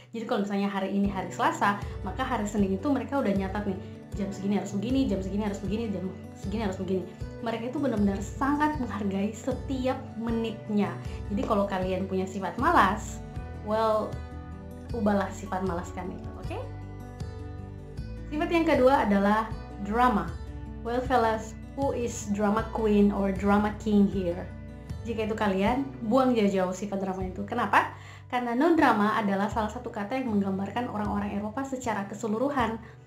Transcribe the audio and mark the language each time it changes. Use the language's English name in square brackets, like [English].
[Indonesian] Jadi kalau misalnya hari ini hari Selasa, maka hari Senin itu mereka udah nyatat nih, jam segini harus begini, jam segini harus begini, jam segini harus begini. Mereka itu benar-benar sangat menghargai setiap menitnya. Jadi kalau kalian punya sifat malas, well, ubahlah sifat malas kalian itu, oke? Okay? Sifat yang kedua adalah drama. [English] Well fellas, who is drama queen or drama king here? [Indonesian] Jika itu kalian, buang jauh-jauh sifat drama itu. Kenapa? Karena no drama adalah salah satu kata yang menggambarkan orang-orang Eropa secara keseluruhan.